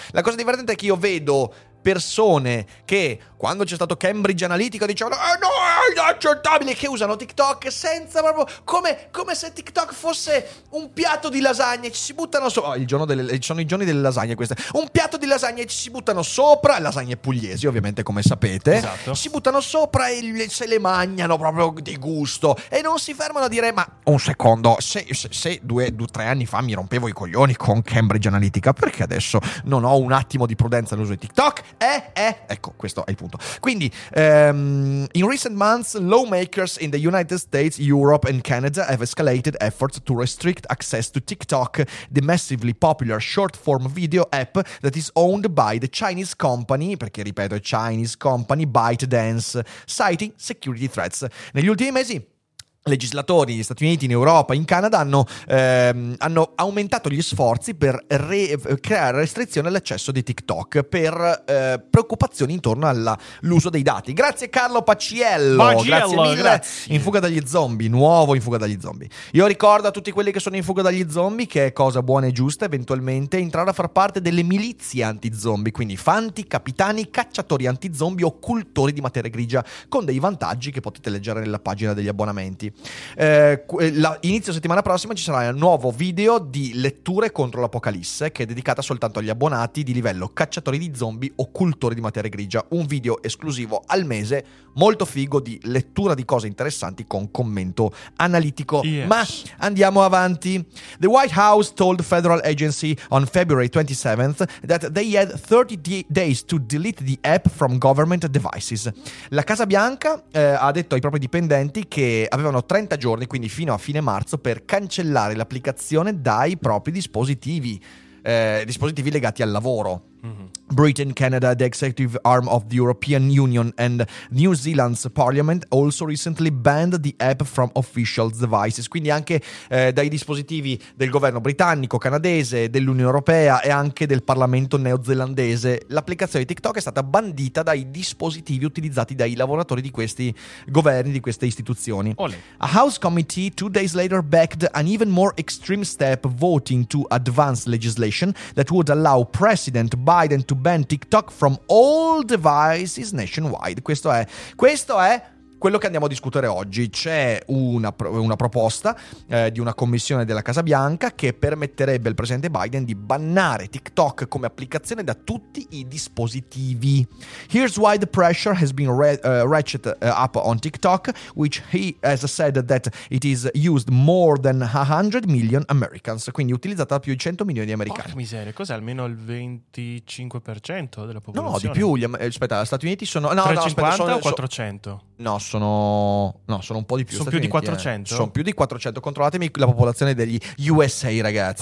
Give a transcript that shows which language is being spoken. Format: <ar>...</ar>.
<it>La cosa divertente è che io vedo persone che, quando c'è stato Cambridge Analytica, dicevano no, è inaccettabile, che usano TikTok senza proprio, come se TikTok fosse un piatto di lasagna, ci si buttano sopra, sono i giorni delle lasagne queste, un piatto di lasagna e ci si buttano sopra, lasagne pugliesi ovviamente come sapete, esatto. Si buttano sopra e se le mangiano proprio di gusto e non si fermano a dire ma un secondo, se due tre anni fa mi rompevo i coglioni con Cambridge Analytica, perché adesso non ho un attimo di prudenza nell'uso di TikTok? Ecco, questo è il punto.</it> <en>Quindi, in recent months, lawmakers in the United States, Europe and Canada have escalated efforts to restrict access to TikTok, the massively popular short-form video app that is owned by the Chinese company,</en> <it>perché ripeto,</it> <en>Chinese company, ByteDance, citing security threats.</en> <it>Negli ultimi mesi, legislatori negli Stati Uniti, in Europa, in Canada hanno aumentato gli sforzi per creare restrizioni all'accesso di TikTok per preoccupazioni intorno all'uso dei dati. Grazie Carlo Paciello, grazie mille, grazie. In fuga dagli zombie, nuovo in fuga dagli zombie. Io ricordo a tutti quelli che sono in fuga dagli zombie che è cosa buona e giusta eventualmente entrare a far parte delle milizie anti-zombie, quindi fanti, capitani, cacciatori anti-zombie o cultori di materia grigia, con dei vantaggi che potete leggere nella pagina degli abbonamenti. Inizio settimana prossima ci sarà un nuovo video di letture contro l'apocalisse, che è dedicata soltanto agli abbonati di livello cacciatori di zombie o cultori di materia grigia, un video esclusivo al mese molto figo di lettura di cose interessanti con commento analitico.</it> <en>Yes.</en> <it>Ma andiamo avanti.</it> <en>The White House told federal agency on February 27th that they had 30 days to delete the app from government devices.</en> <it>La Casa Bianca ha detto ai propri dipendenti che avevano 30 giorni, quindi fino a fine marzo, per cancellare l'applicazione dai propri dispositivi legati al lavoro.</it> <en>Britain, Canada, the executive arm of the European Union and New Zealand's parliament also recently banned the app from official devices.</en> <it>Quindi anche dai dispositivi del governo britannico, canadese, dell'Unione Europea e anche del Parlamento neozelandese, l'applicazione TikTok è stata bandita dai dispositivi utilizzati dai lavoratori di questi governi, di queste istituzioni. Olé.</it> <en>A House committee 2 days later backed an even more extreme step, voting to advance legislation that would allow President Biden to ban TikTok from all devices nationwide.</en> <it>Questo è quello che andiamo a discutere oggi. C'è una proposta di una commissione della Casa Bianca che permetterebbe al presidente Biden di bannare TikTok come applicazione da tutti i dispositivi.</it> <en>Here's why the pressure has been ratcheted up on TikTok, which he has said that it is used more than 100 million Americans.</en> <it>Quindi utilizzata da più di 100 milioni di americani. Porca miseria, cos'è? Almeno il 25% della popolazione? No, di più. Aspetta, gli Stati Uniti sono... No, 350 no, aspetta, o 400? Sono un po' di più. Sono più di 400? Sono più di 400. Controllatemi la popolazione degli USA, ragazzi.</it>